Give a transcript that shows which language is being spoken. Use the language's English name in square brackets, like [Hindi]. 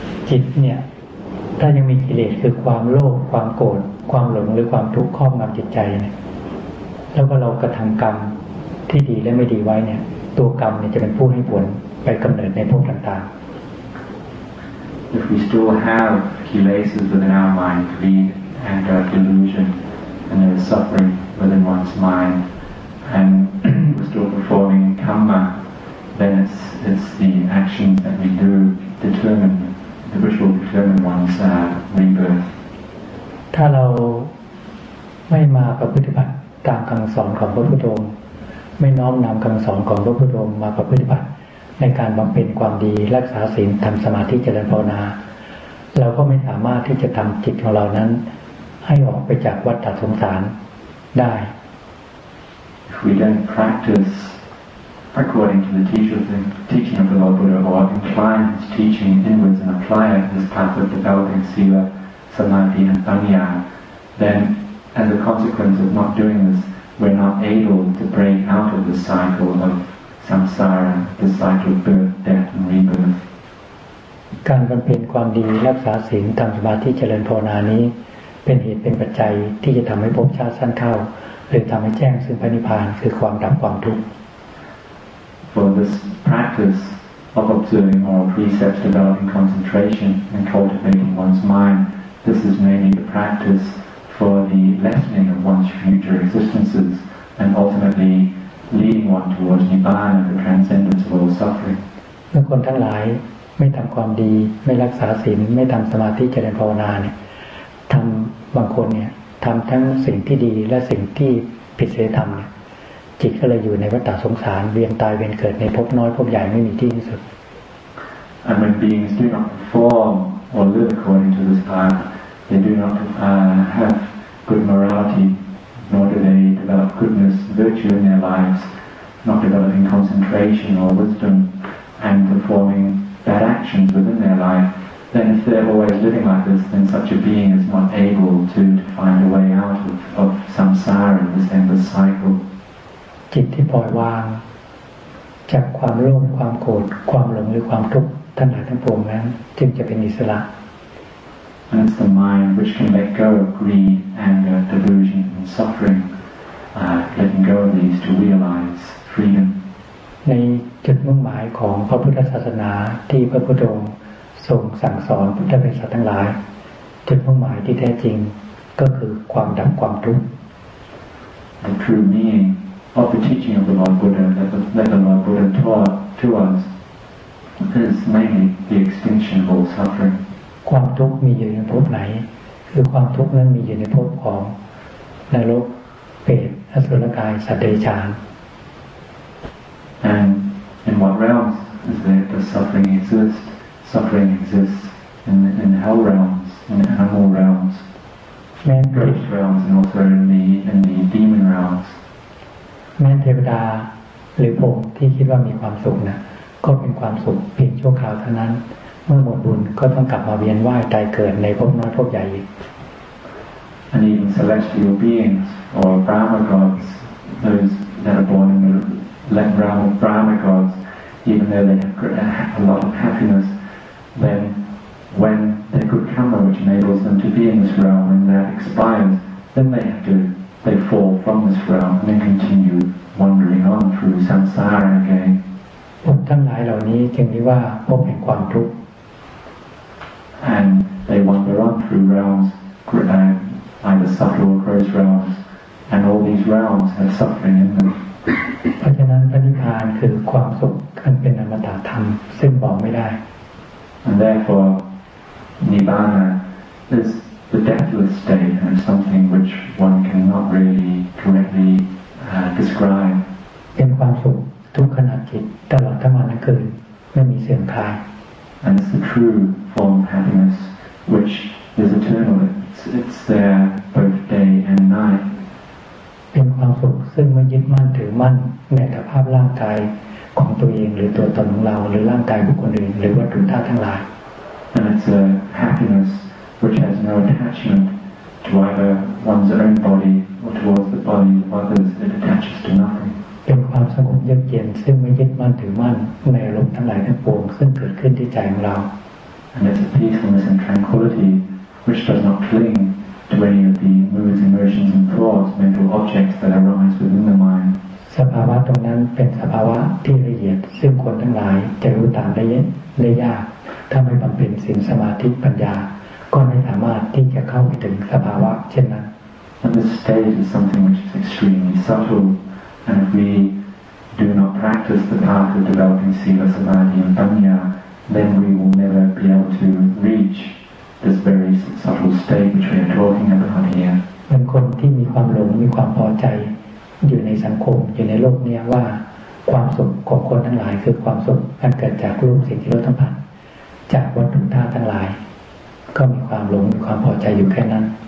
[Thai] จิตเนี่ยถ้ายังมีกิเลสคือความโลภความโกรธความหลงหรือความทุกข์ครอบงำจิตใจเนี่ยแล้วก็เรากระทำกรรมที่ดีและไม่ดีไว้เนี่ยตัวกรรมเนี่ยจะเป็นผู้ให้ผลไปกำเนิดในภพต่าง [English] ๆ If we still have kilesas within our mind, greed, anger, delusion, and there is suffering within one's mind, and we're still performing karma, then it's the actions that we do determine. The wish will determine one's rebirth. [Thai] ถ้าเราไม่มาประพฤติบัติตามคำสอนของพระพุทธองค์ไม่น้อมนำคำสอนของพระพุทธองค์มาประพฤติบัติในการบำเพ็ญความดีรักษาศีลทำสมาธิเจริญภาวนาเราก็ไม่สามารถที่จะทำจิตของเรานั้นให้ออกไปจากวัฏสงสารได้ [English] If we don't practice according to the teaching of the Lord Buddha or incline his teaching inwards and apply it this path of developing sila, samadhi and panya, then as a consequence of not doing this, we're not able to break out of the cycle of samsara, the cycle of birth, death and rebirth. [Thai] การบำเพ็ญความดีรักษาศีลทำสมาธิเจริญภาวนานี้เป็นเหตุเป็นปัจจัยที่จะทำให้ภพชาติสั้นเข้าหรือทำให้แจ้งซึ่งพระนิพพานคือความดับความทุกข์ [English] For this practice of observing moral precepts, developing concentration, and cultivating one's mind, this is mainly the practice for the lessening of one's future existences, and ultimately leading one towards nibbana, the transcendence of all suffering. [Thai] เมื่อคนทั้งหลายไม่ทำความดีไม่รักษาศีลไม่ทำสมาธิเจริญภาวนาเนี่ยทำบางคนเนี่ยทำทั้งสิ่งที่ดีและสิ่งที่ผิดศีลธรรมจิตก็เลยอยู่ในวัฏสงสารเวียนตายเวียนเกิดในภพน้อยภพใหญ่ไม่มีที่สุด [English] And when beings do not perform or live according to this path, they do not have good morality, nor do they develop goodness, virtue in their lives, not developing concentration or wisdom, and performing bad actions within their life. Then, if they're always living like this, then such a being is not able to find a way out of samsara, this endless cycle. [Thai] จิตที่ปล่อยวางจากความโลภความโกรธความหลงหรือความทุกข์ทั้งหลายทั้งปวงนั้นจึงจะเป็นอิสระ [English] And it's the mind which can let go of greed, anger, delusion, and suffering, letting go of these to realize freedom. [Thai] ในจุดมุ่งหมายของพระพุทธศาสนาที่พระพุทธองค์ทรงสั่งสอนพุทธบริษัททั้งหลายจุดมุ่งหมายที่แท้จริงก็คือความดับความทุกข์ [English] The true meaning of the teaching of the Lord Buddha that the Lord Buddha taught to us is mainly the extinction of all suffering. [Thai] ความทุกข์มีอยู่ในภพไหนคือความทุกข์นั้นมีอยู่ในภพของนรกเปรตอสุรกายสัตว์เดรัจฉาน [English] And in what realms is there does suffering exist? Suffering exists in the hell realms, in the animal realms. [Thai] แม้ เทวดาและ [English] also in the demon realms [Thai] แม้เทวดาหรือผมที่คิดว่ามีความสุขนะก็เป็นความสุขเพียงชั่วคราวเท่านั้นเมื่อหมดบุญก็ต้องกลับมาเวียนว่ายตายเกิดในภพน้อยภพใหญ่อีก [English] And even celestial beings or Brahma gods those that are born in the realm of Brahma gods even though they have a lot of happiness thenWhen their good karma, which enables them to be in this realm, and that expires, then they fall from this realm and they continue wandering on through samsara again. [Thai] ทั้งหลายเหล่านี้จึงเรียกว่าภพแห่งความทุกข์ [English] And they wander on through realms, either subtle or gross realms, and all these realms have suffering in them. [Thai] เพราะฉะนั้นนิพพานคือความสุขอันเป็นอมตะธรรมซึ่งบอกไม่ได้ [English] And therefore. Nibbana is the deathless state and something which one cannot really correctly describe. [Thai] เป็นความสุขทุกขณะจิตตลอดทั้งวันทั้งคืนไม่มีเสื่อมคลาย [English] And it's the true form of happiness which is eternal. It's there both day and night. [Thai] เป็นความสุขซึ่งไม่ยึดมั่นถือมั่นในสภาพร่างกายของตัวเองหรือตัวตนของเราหรือร่างกายบุคคลอื่นหรือวัตถุธาตุทั้งหลาย [English] And it's a happiness which has no attachment to either one's own body or towards the body of others. It attaches to nothing. [Thai] เป็นความสงบเยือกเย็นซึ่งไม่ยึดมั่นถือมั่นในอารมณ์ทั้งหลายทั้งปวงซึ่งเกิดขึ้นที่ใจของเรา [English] And it's a peacefulness and tranquility which does not cling to any of the moods, emotions, and thoughts, mental objects that arise within the mind. [Thai] สภาวะตรงนั้นเป็นสภาวะที่ละเอียดซึ่งคนทั้งหลายจะรู้ตามได้ยากถ้าไม่บำเพ็ญศีลสมาธิปัญญาก็ไม่สามารถที่จะเข้าไปถึงสภาวะเช่นนั้น [English] And this state is something which is extremely subtle and if we do not practice the path of developing sila samadhi and panya then we will never be able to reach this very subtle state which we are talking about here [Thai] บางคนที่มีความหลงมีความพอใจอยู่ในสังคมอยู่ในโลกนี้ว่าความสุขของคนทั้งหลายคือความสุขอันเกิดจากรูปสิ่งที่รู้ทั้งผ่านจากวัตถุธาตุทั้งหลายก็มีความหลงมีความพอใจอยู่แค่นั้น